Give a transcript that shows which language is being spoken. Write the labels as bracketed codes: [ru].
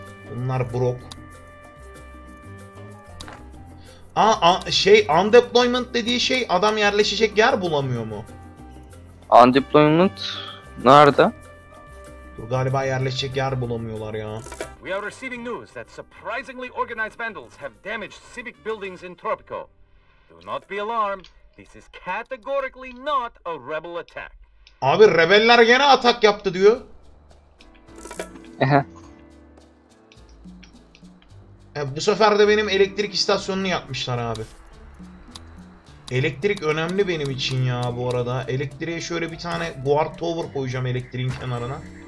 [tr] Bunlar broke. Şey, undeployment dediği şey, adam yerleşecek yer bulamıyor mu? Undeployment nerede? Dur, galiba yerleşecek yer bulamıyorlar ya. [en] We are receiving news that surprisingly organized vandals have damaged civic buildings in Tropico. Do not be alarmed. This is categorically not a rebel attack. [tr] Abi rebeller gene atak yaptı diyor. Bu sefer de benim elektrik istasyonunu yapmışlar abi. Elektrik önemli benim için ya bu arada. Elektriğe şöyle bir tane guard tower koyacağım elektriğin kenarına.